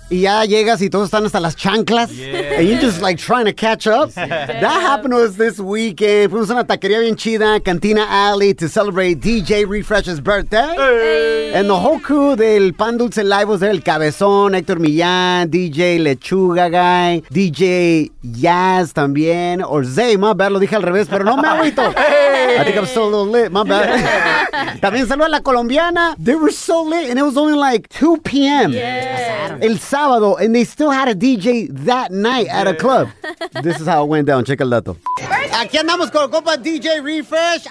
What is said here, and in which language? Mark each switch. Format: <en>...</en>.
<es>Y ya llegas y todos están hasta las chanclas.</es> <en>Yeah. And you're just like trying to catch up. Yeah. That happened to us this weekend.</en> <es>Fuimos a una taquería bien chida,</es> <en>Cantina Alley, to celebrate DJ Refresh's birthday. Hey. And the whole crew del Pan Dulce Live was there.</en> <es>El Cabezón, Héctor Millán, DJ Lechuga Guy, DJ Yaz también. Or Zay,</es> <en>my bad,</en> <es>lo dije al revés, pero no me agüito.</es> <en>Hey. I think I'm still a little lit, my bad.</en> <es>También saludo a la colombiana.</es> <en>They were so lit and it was only like 2 p.m. Yeah.</en> <es>El sábado,</es> <en>and they still had a DJ that night at a club.</en> <es>This is how it went down. Checa el dato. Aquí andamos con el compa DJ Refresh.</es>